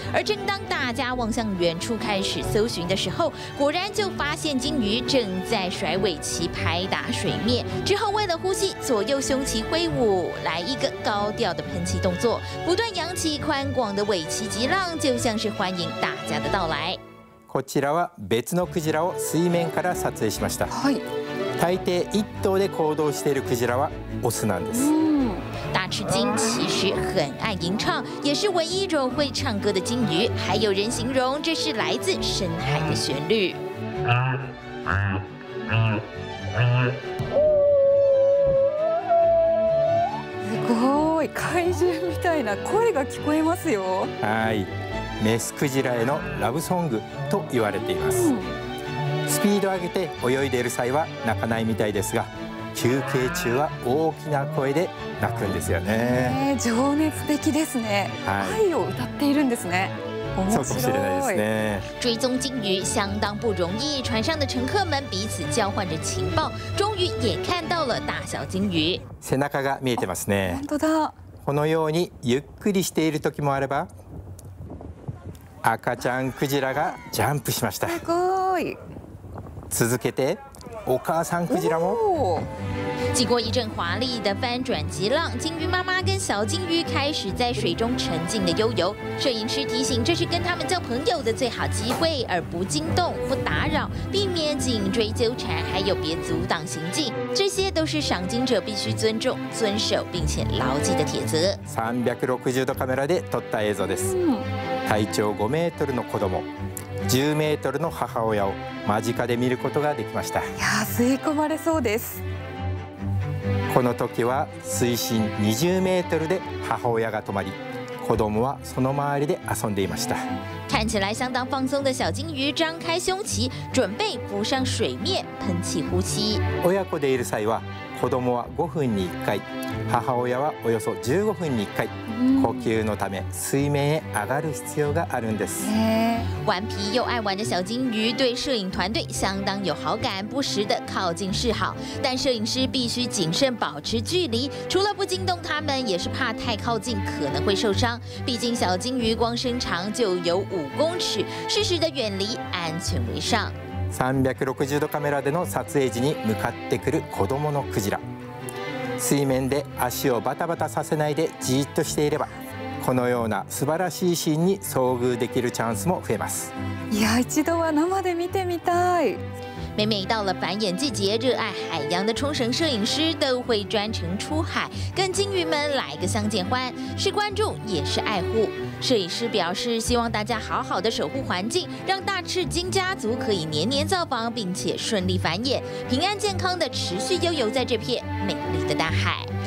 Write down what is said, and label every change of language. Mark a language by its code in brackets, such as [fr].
[zh] 而正当大家望向远处开始搜寻的时候，果然就发现鲸鱼正在甩尾鳍拍打水面，之后为了呼吸左右胸鳍挥舞，来一个高调的喷气动作，不断扬起宽广的尾鳍急浪，就像是欢迎大家的到来。 [ja] こちらは別のクジラを水面から撮影しました。はい。大抵一頭で行動しているクジラはオスなんです。 [zh] 大赤鲸其实很爱吟唱，也是唯一一种会唱歌的鲸鱼。还有人形容这是来自深海的旋律。 [ja] すごい、怪獣みたいな声が聞こえますよ。はい。メスクジラへのラブソングと言われています。スピードを上げて泳いでいる際は鳴かないみたいですが、休憩中は大きな声で鳴くんですよね。情熱的ですね。愛を歌っているんですね。そうかもしれないですね。 [zh] 追踪鲸鱼相当不容易，船上的乘客们彼此交换着情报，终于也看到了大小鲸鱼。 [ja] 背中が見えてますね。本当だ。このようにゆっくりしている時もあれば。赤ちゃんクジラがジャンプしました。すごい。続けてお母さんクジラも。 [zh] 经过一阵华丽的翻转急浪，鲸鱼妈妈跟小鲸鱼开始在水中沉浸的悠游。摄影师提醒，这是跟他们交朋友的最好机会，而不惊动、不打扰，避免颈椎纠缠，还有别阻挡行进，这些都是赏鲸者必须尊重、遵守并且牢记的铁则。 [ja] 360度カメラで撮った映像です。体長5メートルの子供、10メートルの母親を間近で見ることができました。いや、吸い込まれそうです。この時は水深20メートルで母親が止まり、子供はその周りで遊んでいました。 [zh] 看起来相当放松的小鲸鱼张开胸鳍，准备浮上水面喷气呼吸。 [ja] 親子でいる際は、子供は5分に1回、母親はおよそ15分に1回、呼吸のため水面へ上がる必要があるんです。 [zh] 顽皮又爱玩的小鲸鱼对摄影团队相当有好感，不时的靠近示好，但摄影师必须谨慎保持距离，除了不惊动他们，也是怕太靠近可能会受伤。毕竟小鲸鱼光身长就有5公尺，适时的远离，安全为上。 [ja] 360度カメラでの撮影時に向かってくる子供のクジラ、水面で足をバタバタさせないでじっとしていれば、このような素晴らしいシーンに遭遇できるチャンスも増えます。いや、一度は生で見てみたい。 [zh] 每每到了繁衍季节，热爱海洋的冲绳摄影师都会专程出海跟鲸鱼们来个相见欢，是关注也是爱护。摄影师表示，希望大家好好的守护环境，让大赤鲸家族可以年年造访，并且顺利繁衍，平安健康的持续悠游在这片美丽的大海。